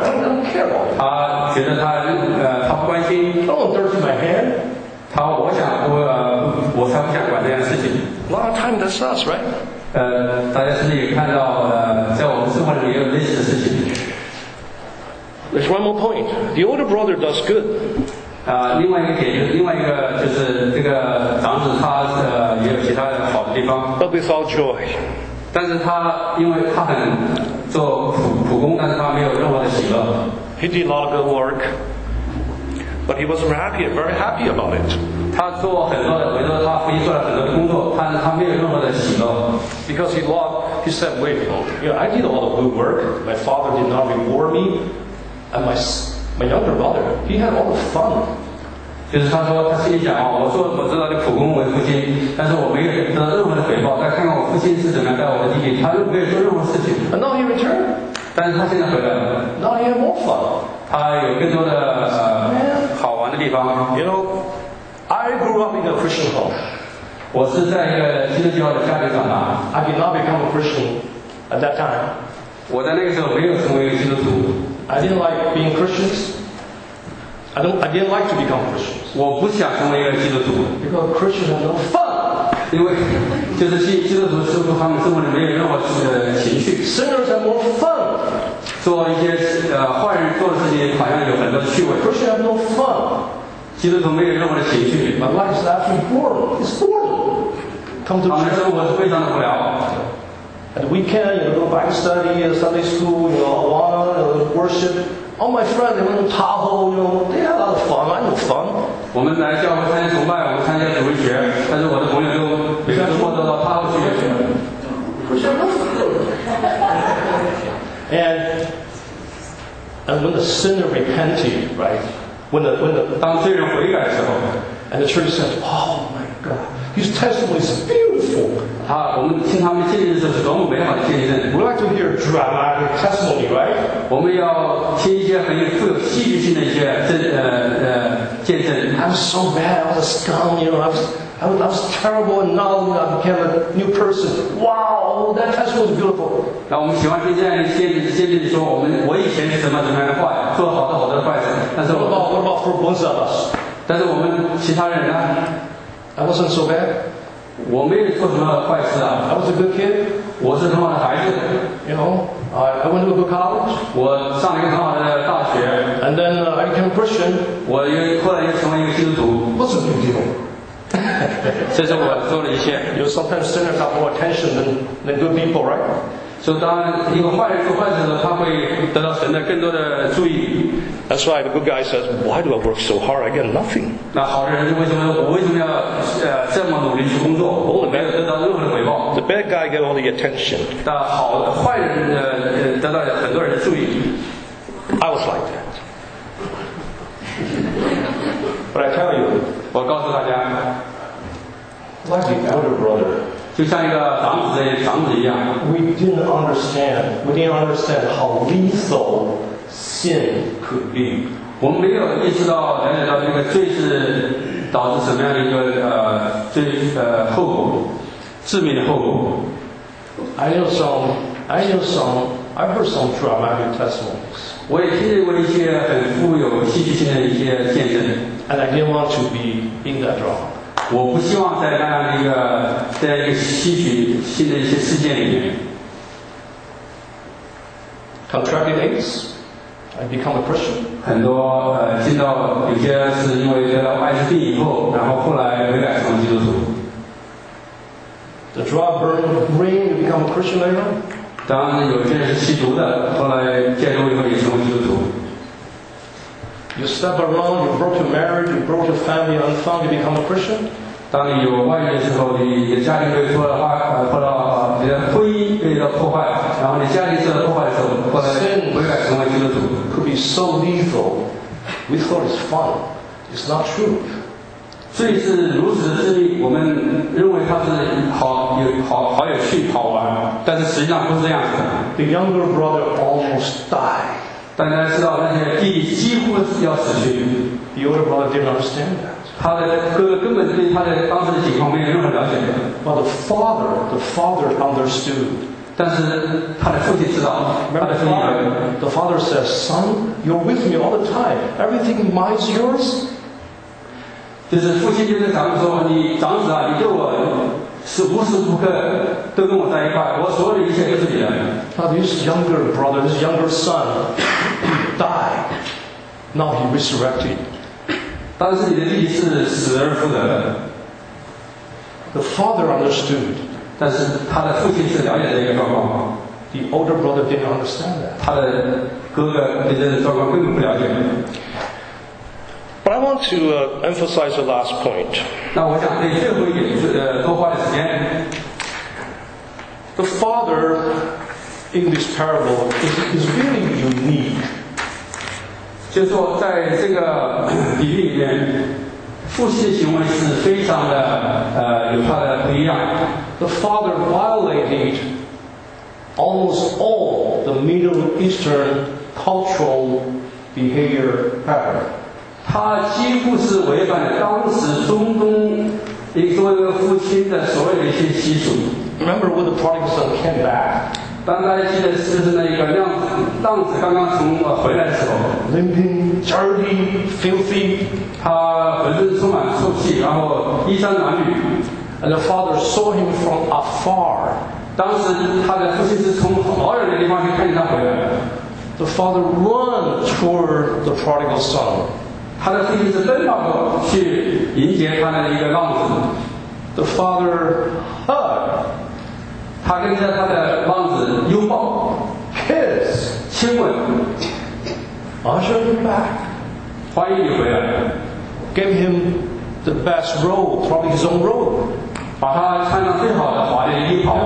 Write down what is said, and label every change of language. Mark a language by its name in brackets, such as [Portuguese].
[English] I don't care about him. [Chinese] 他觉得他不关心。 [English] Don't dirty my hand. [Chinese] 他我想我才不想管这样的事情。 [English] A lot of time that's us, right? [Chinese] 大家是不是也看到在我们生活里也有类似的事情？ [English] There's one more point. The older brother does good. [Chinese] 另外一个点就是另外一个就是这个长子他也有其他的好的地方。 [English] But without joy. [Chinese] 但是他因为他很做苦工，但是他没有任何的喜乐。 [English] He did a lot of good work. But he was happy, very happy about it. [Chinese] 他做很多的，我觉得他父亲做了很多的工作，但是他没有任何的喜乐。 [English] Because he loved, he said, "Wait, you know, I did all the good work. My father did not reward me, and my younger brother, he had all the fun." [Chinese] 就是他说，他心里想啊，我做了苦工为父亲，但是我没有得到任何的回报。再看看我父亲是怎么待我的弟弟，他又没有做任何事情。 [English] And now he returned. [Chinese] 但是他现在回来了。 [English] Now he had more fun. [Chinese] 他有更多的好玩的地方。 [English] You know. I grew up in a Christian home. [Chinese] 我是在一个基督教的家庭长大。 [English] I did not become a Christian at that time. [Chinese] 我在那个时候没有成为一个基督徒。 [English] I didn't like being Christians. I didn't like to become Christians. [Chinese] 我不想成为一个基督徒。 [English] Because Christians have no fun. [Chinese] 因为就是基督徒似乎他们生活里没有任何自己的情绪。 [English] Sinners have more fun. [Chinese] 做一些坏人做的事情好像有很多趣味。 [English] Christians have no fun. [Chinese] 基督徒没有任何的情绪。 [English] My life is actually boring. It's boring. Come to church. [Chinese] 他们的生活是非常的无聊。 [English] At the weekend, you know, go back to study, Sunday school, you know, worship. All my friends, they went to Tahoe, you know, they had a lot of fun. I had fun. [Chinese] 我们来教会参加崇拜，我们参加主日学，但是我的朋友都每个周末都到 Tahoe 去。不是 [English] And when the sinner repented, right? When the [Chinese] 当罪人悔改的时候 [English] ，and the church says, "Oh my God, his testimony is beautiful." [Chinese] 我们听他们见证的时候是多么美好的见证。 [English] We like to hear dramatic testimony, right? [Chinese] 我们要听一些很有富有戏剧性的一些见证。 [English] I was so bad, I was a scum, you know, I was terrible, and now I became a new person. Wow, that testimony is beautiful. [Chinese] 那我们喜欢听这样的见证，说我以前是怎么样的坏，做好多好多的坏事。 [English] What about for both of us? [Chinese] 但是我们其他人呢 [English] ？I wasn't so bad. [Chinese] 我没有做什么坏事啊。 [English] I was a good kid. [Chinese] 我是很好的孩子。 [English] You know, I went to a good college. [Chinese] 我上了一个很好的大学。 [English] And then I became a Christian. [Chinese] 我又后来又成为一个基督徒。 [English] What's a big deal? [Chinese] 这是我做了一些。 [English] You know, sometimes sinners got more attention than good people, right? [Chinese] 所以当一个坏人做坏事的时候，他会得到神的更多的注意。 [English] That's why the good guy says, "Why do I work so hard? I get nothing." [Chinese] 那好的人就为什么要这么努力去工作？我没有得到任何的回报。 [English] The bad guy get all the attention. [Chinese] 那好的坏人得到很多人的注意。 [English] I was like that. But I tell you, [Chinese] 我告诉大家 [English] ，like the older brother. [Chinese] 就像一个长子一样。 [English] We didn't understand how lethal sin could be. [Chinese] 我们没有意识到了解到这个罪是导致什么样的一个后果，致命的后果。 [English] I heard some dramatic testimonies. [Chinese] 我也听见过一些很富有戏剧性的一些见证。 [English] And I didn't want to be in that drama. [Chinese] 我不希望在那样的一个，在一个戏剧性的一些事件里面。 [English] Contracted AIDS, I become a Christian. [Chinese] 很多进到有些是因为得到艾滋病以后，然后后来悔改成基督徒。 [English] The drug burned the brain, you become a Christian later on. [Chinese] 当然有些人是吸毒的，后来戒毒以后也成为基督徒。 [English] You step around, you broke your marriage, you broke your family, and finally become a Christian. [Chinese] 当你有外遇的时候，你的家庭被破坏，或者你的婚姻被破坏，然后你家庭受到破坏的时候，后来悔改成为基督徒。 [English] Could be so lethal. We thought it's fun. It's not true. [Chinese] 罪是如此的致命，我们认为它是好有趣、好玩，但是实际上不是这样子的。 [English] The younger brother almost died. [Chinese] 大家知道那些弟弟几乎要死去。 [English] The older brother didn't understand that. [Chinese] 他的哥哥根本对他的当时的情况没有任何了解。 [English] But the father understood. [Chinese] 但是他的父亲知道。 [English] Remember, [Chinese] 他的父亲。 [English] The father says, "Son, you're with me all the time. Everything mine's yours." [Chinese] 就是父亲就跟长子说：“你长子啊，你对我是无时无刻都跟我在一块，我所有的一切都是你的。” [English] Now this younger brother, this younger son, he died. Now he resurrected. [Chinese] 但是你的弟弟是死而复得的。 [English] The father understood. [Chinese] 但是他的父亲是了解这个状况。 [English] The older brother didn't understand that. [Chinese] 他的哥哥对这个状况根本不了解。 [English] But I want to emphasize the last point. [Chinese] 那我想对最后一点多花点时间。 [English] The father in this parable is really unique. [Chinese] 就说在这个比喻里面，父亲的行为是非常的有他的不一样。 [English] The father violated almost all the Middle Eastern cultural behavior pattern. [Chinese] 他几乎是违反了当时中东一个作为一个父亲的所有的一些习俗。 [English] Remember when the prodigal son came back? [Chinese] 当大家记得就是那一个浪子刚刚从回来的时候 [English] ，limping, dirty, filthy, [Chinese] 他浑身充满臭气，然后衣衫褴褛。 [English] And the father saw him from afar. [Chinese] 当时他的父亲是从好远的地方去看见他回来。 [English] The father ran toward the prodigal son. [Chinese] 他的父亲是奔跑过去迎接他的一个浪子。 [English] The father hugged. [Chinese] 他跟着他的浪子拥抱。 [English] Kiss. [Chinese] 亲吻。 [English] Usher him back. [Chinese] 欢迎你回来。 [English] Give him the best robe, probably his own robe. [Chinese] 把他穿上最好的华丽衣袍。